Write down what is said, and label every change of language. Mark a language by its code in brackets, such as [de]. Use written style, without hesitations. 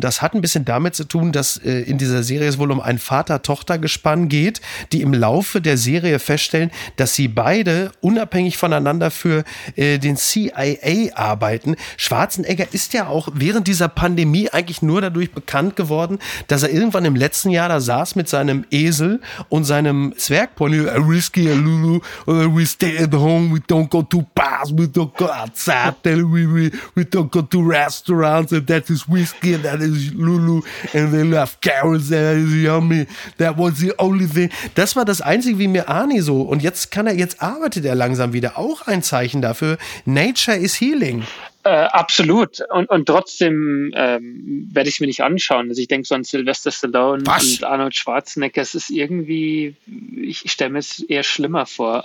[de] Das hat ein bisschen damit zu tun, dass in dieser Serie es wohl um ein Vater-Tochter-Gespann geht, die im Laufe der Serie feststellen, dass sie beide unabhängig voneinander für den CIA arbeiten. Schwarzenegger Schwarzenegger ist ja auch während dieser Pandemie eigentlich nur dadurch bekannt geworden, dass er irgendwann im letzten Jahr da saß mit seinem Esel und seinem Zwergpony. [en] Risky, Lulu, we stay at home, we don't go to bars, we don't go outside, we don't go to restaurants, and that is Risky, and that is Lulu, and they love carrots, and that is yummy, that was the only thing. [de] Das war das Einzige, wie mir Arnie so, und jetzt kann er, jetzt arbeitet er langsam wieder, auch ein Zeichen dafür, [en] Nature is healing. [de] Absolut. Und trotzdem werde ich es mir nicht anschauen. Also ich denke so an Sylvester Stallone und Arnold Schwarzenegger. Es ist irgendwie, ich stelle mir es eher schlimmer vor.